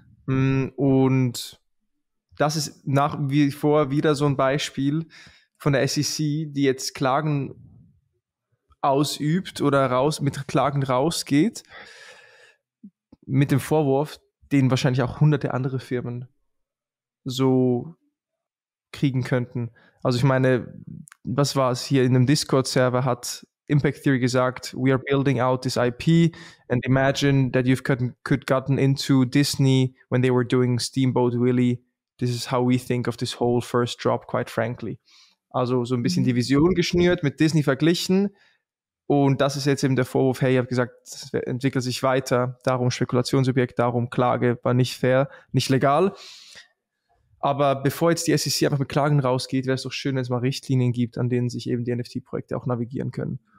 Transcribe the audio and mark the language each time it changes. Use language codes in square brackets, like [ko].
[de] Und das ist nach wie vor wieder so ein Beispiel von der SEC, die jetzt Klagen ausübt oder raus mit Klagen rausgeht, mit dem Vorwurf, den wahrscheinlich auch hunderte andere Firmen so kriegen könnten. Also ich meine, was war es hier in dem Discord-Server, hat Impact Theory gesagt, [en] we are building out this IP and imagine that you've could gotten into Disney when they were doing Steamboat Willie. This is how we think of this whole first drop, quite frankly. [de] Also so ein bisschen die Vision geschnürt, mit Disney verglichen. Und das ist jetzt eben der Vorwurf, hey, ihr habt gesagt, es entwickelt sich weiter. Darum Spekulationsobjekt, darum Klage, war nicht fair, nicht legal. Aber bevor jetzt die SEC einfach mit Klagen rausgeht, wäre es doch schön, wenn es mal Richtlinien gibt, an denen sich eben die NFT-Projekte auch navigieren können.